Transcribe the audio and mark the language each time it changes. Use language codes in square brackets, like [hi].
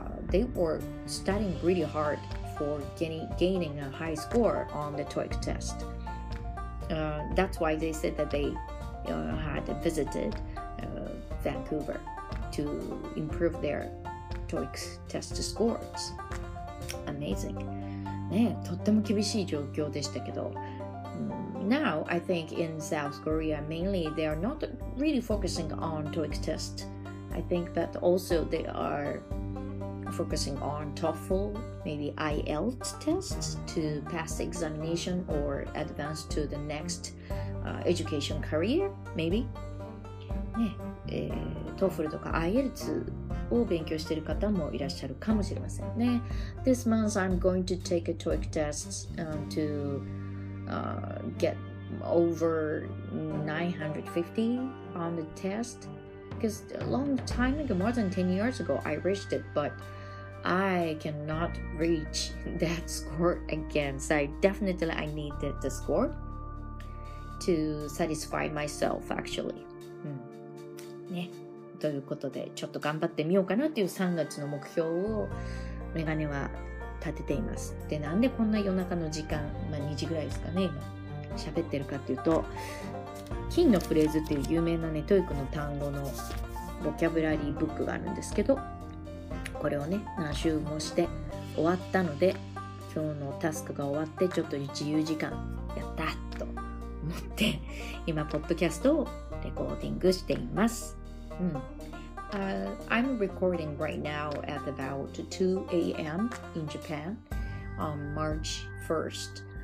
[en] They were studying really hard for gaining a high score on the TOEIC test. That's why they said that they、had visited、Vancouver to improve their TOEIC test scores. Amazing. [ja] ね、とっても厳しい状況でしたけど。 [en] Now, I think in South Korea mainly, they are not really focusing on TOEIC test. I think that also they are... focusing on TOEFL, maybe IELTS tests to pass the examination or advance to the next education career, maybe. [ja] ね、TOEFL とか IELTS を勉強している方もいらっしゃるかもしれませんね。 [en] This month I'm going to take a TOEIC test to get over 950 on the test. Because a long time ago, more than 10 years ago, I reached it, but I cannot reach that score again. So definitely I needed the score to satisfy myself, actually.、 [ja] ね、ということで、ちょっと頑張ってみようかなという3月の目標をメガネは立てています。で、なんでこんな夜中の時間、まあ、2時ぐらいですかね、今喋ってるかというと、金のフレーズっていう有名なね、トイックの単語のボキャブラリーブックがあるんですけど、これをね、何周もして終わったので、今日のタスクが終わって、ちょっと自由時間、やったと思って、今、ポッドキャストをレコーディングしています。うん。 [en] I'm recording right now at about 2 a.m. in Japan on March 1st.